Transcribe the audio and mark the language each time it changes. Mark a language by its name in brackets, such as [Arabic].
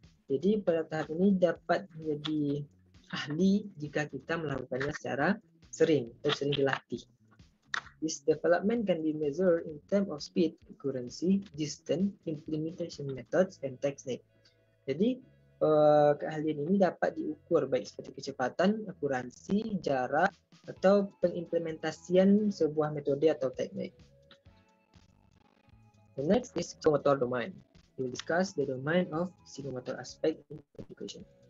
[Indonesian] Jadi, pada tahap ini dapat menjadi ahli jika kita melakukannya secara sering atau sering dilatih. [English] This development can be measured in terms of speed, accuracy, distance, implementation methods, and technique. [Indonesian] Jadi, keahlian ini dapat diukur baik seperti kecepatan, akurasi, jarak, atau pengimplementasian sebuah metode atau teknik. [English] The next is psychomotor domain. We will discuss the domain of psychomotor aspect in education.